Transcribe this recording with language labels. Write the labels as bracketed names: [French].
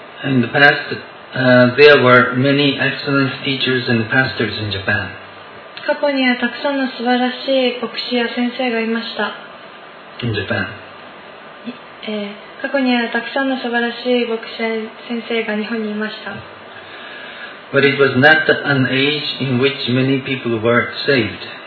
[English] In the past, there were many excellent teachers and pastors in Japan. [Japanese] 過去にはたくさんの素晴らしい牧師や先生がいました。 [English] In Japan. [Japanese] 過去にはたくさんの素晴らしい牧師先生が日本にいました。 [English] But it was not an age in which many people were saved.